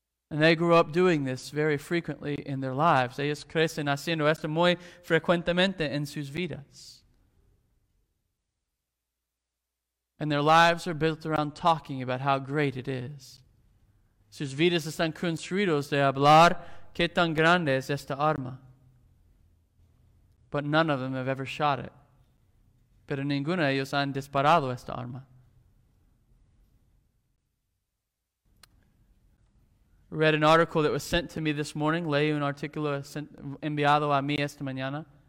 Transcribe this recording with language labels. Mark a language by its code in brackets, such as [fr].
[en] And they grew up doing this very frequently in their lives. [es] Ellos crecen haciendo esto muy frecuentemente en sus vidas. [en] And their lives are built around talking about how great it is. [es] Sus vidas están construidos de hablar qué tan grande es esta arma. [en] But none of them have ever shot it. [es] Pero ninguno de ellos han disparado esta arma. [en] Read an article that was sent to me this morning. [es] Leí un artículo enviado a mí esta mañana.